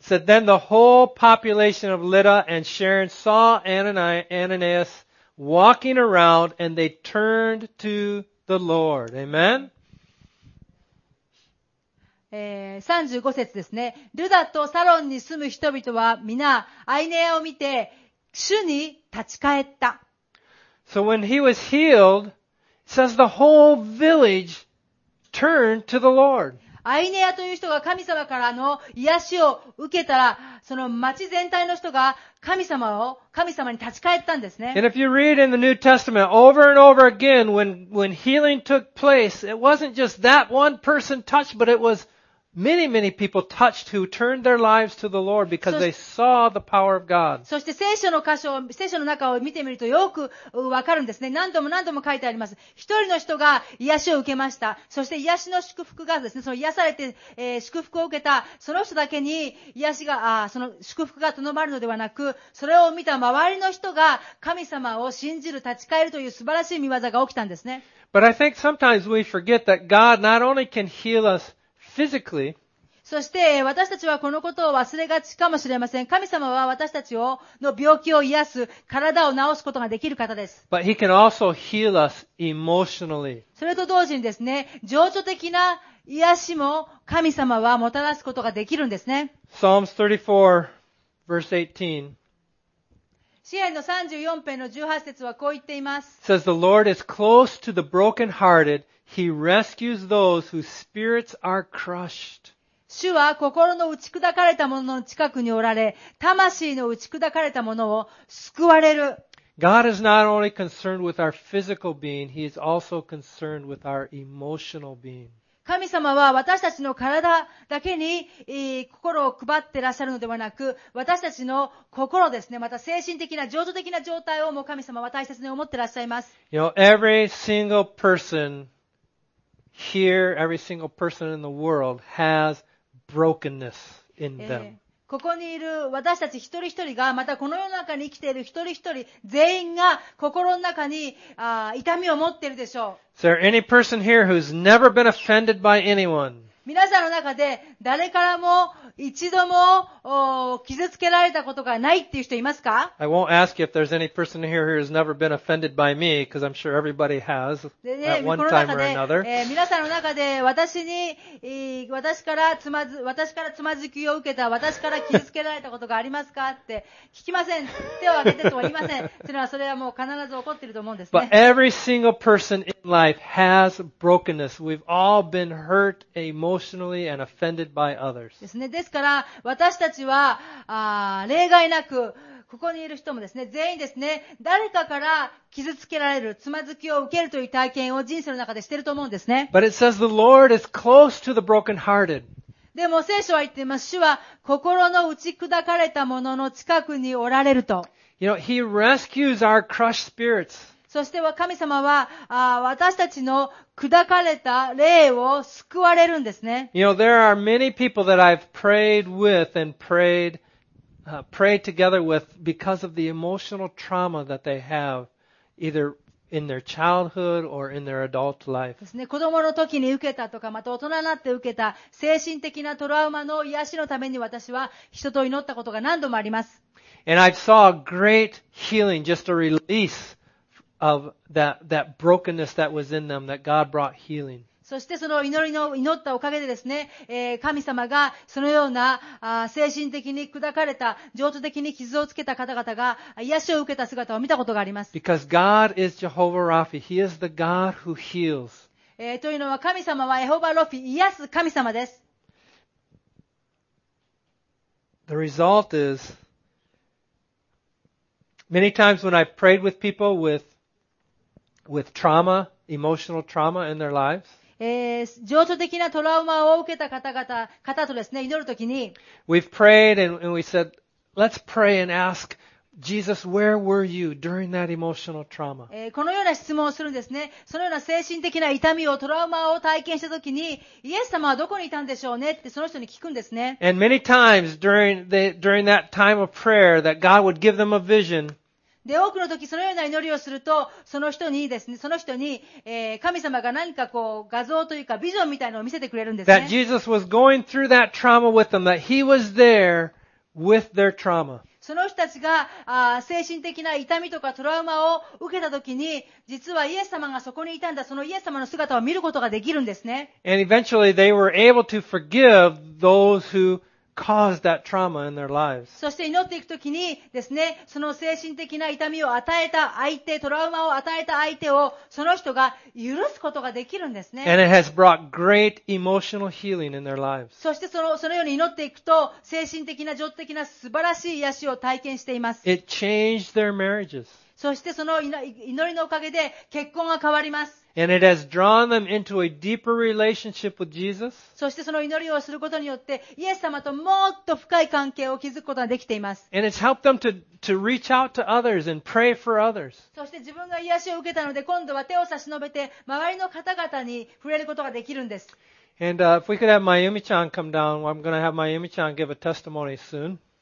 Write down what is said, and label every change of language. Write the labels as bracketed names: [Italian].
[English] So then the whole population of Lydda and Sharon saw Ananias walking around and they turned to the Lord. Amen? [Japanese] 35節ですね。ルダとサロンに住む人々は皆、アイネアを見て、主に立ち返った。 [English] So when he was healed, it says the whole village Turn to the Lord. [Japanese] アイネアという人が神様からの癒しを受けたら、その町全体の人が神様に立ち返ったんですね。 [English] And if you read in the New Testament over and over again, when healing took place, it wasn't just that one person touched, but it was many, many people touched who turned their lives to the Lord because they saw the power of God. [Japanese] そして聖書の中を見てみるとよくわかるんですね。何度も書いてあります。一人の人が癒しを受けました。そして癒しの祝福がですね、その癒されて、祝福を受けた、その人だけに癒しが、その祝福がとどまるのではなく、それを見た周りの人が神様を信じる、立ち返るという素晴らしい御業が起きたんですね。 [English] But I think sometimes we forget that God not only can heal us,Physically, [Japanese] そして私たちはこのことを忘れがちかもしれません。神様は私たちをの病気を癒す、体を治すことができる方です。 [English] But he can also heal us emotionally. [Japanese] それと同時にですね、情緒的な癒しも神様はもたらすことができるんですね。 [English] Psalms 34, verse 18. [Japanese] 詩篇の34篇の18節はこう言っています。 [English] It says, The Lord is close to the brokenhearted. He rescues those whose spirits are crushed. [Japanese] 主は心の打ち砕かれた者の近くにおられ、魂の打ち砕かれた者を救われる。 [English] God is not only concerned with our physical being, He is also concerned with our emotional being. [Japanese] 神様は私たちの体だけに心を配っていらっしゃるのではなく、私たちの心ですね、また精神的な、情緒的な状態をもう神様は大切に思っていらっしゃいます。 [English] You know, every single person here, every single person in the world has brokenness in them. [Japanese] ここにいる私たち一人一人が、またこの世の中に生きている一人一人全員が心の中に痛みを持っているでしょう。 [English] Is there any person here who's never been offended by anyone? [Japanese] 皆さんの中で誰からも一度も傷つけられたことがないっていう人いますか? [English] I won't ask you if there's any person here who's never been offended by me, because I'm sure everybody has at one time or another. [Japanese] 皆さんの中で私からつまずきを受けた、私から傷つけられたことがありますかって聞きません。手を挙げてとは言いません。というのはそれはもう必ず起こっていると思うんですね。 [English] But every single person in life has brokenness. We've all been hurt emotionally and offended by others. [Japanese] ですね。ですから私たちは例外なく、ここにいる人もですね、全員ですね、誰かから傷つけられる、つまずきを受けるという体験を人生の中でしていると思うんですね。 [English] But it says the Lord is close to the brokenhearted. [Japanese] でも聖書は言っています。主は心の打ち砕かれた者の近くにおられると。 [English] You know, He rescues our crushed spirits. [Japanese] そして神様は私たちの砕かれた霊を救われるんですね。 [English] You know, there are many people that I've prayed with and prayed together with because of the emotional trauma that they have either in their childhood or in their adult life. [Japanese] ですね。子供の時に受けたとか、また大人になって受けた精神的なトラウマの癒しのために私は人と祈ったことが何度もあります。 [English] And I saw a great healing, just a release. Of that brokenness that was in them, that God brought healing. [Japanese] そしてその祈ったおかげでですね、神様がそのような精神的に砕かれた、情緒的に傷をつけた方々が癒しを受けた姿を見たことがあります。 [English] Because God is Jehovah Rapha, He is the God who heals. [Japanese] というのは神様はエホバロフィ、癒す神様です。 [English] The result is many times when I prayed with people with trauma, emotional trauma in their lives. [Japanese] 情緒的なトラウマを受けた方々とですね、祈るときに。 [English] We've prayed and we said, let's pray and ask Jesus, where were you during that emotional trauma? [Japanese] このような質問をするんですね。そのような精神的な痛みを、トラウマを体験したときに、イエス様はどこにいたんでしょうねってその人に聞くんですね。 [English] And many times during that time of prayer that God would give them a vision, [Japanese] で、多くの時そのような祈りをすると、その人にですね、その人に、神様が何かこう、画像というか、ビジョンみたいなのを見せてくれるんですね。 [English] That Jesus was going through that trauma with them, that He was there with their trauma. [Japanese] その人たちが、精神的な痛みとかトラウマを受けた時に、実はイエス様がそこにいたんだ、そのイエス様の姿を見ることができるんですね。 [English] And eventually they were able to forgive those whocaused that trauma in their lives. [Japanese] そして祈っていくときにですね、その精神的な痛みを与えた相手、トラウマを与えた相手をその人が許すことができるんですね。 [English] And it has brought great emotional healing in their lives. [Japanese] そしてそのように祈っていくと、精神的な、情緒的な素晴らしい癒しを体験しています。 [English] It changed their marriages. [Japanese] そしてその祈りのおかげで結婚が変わります。 [English] And it has drawn them into a deeper relationship with Jesus. [Japanese] そしてその祈りをすることによって、イエス様ともっと深い関係を築くことができています。 [English] And it's helped them to reach out to others and pray for others. [Japanese] そして自分が癒しを受けたので、今度は手を差し伸べて、周りの方々に触れることができるんです。 [English] And, if we could have Mayumi-chan come down, I'm going to have Mayumi-chan give a testimony soon.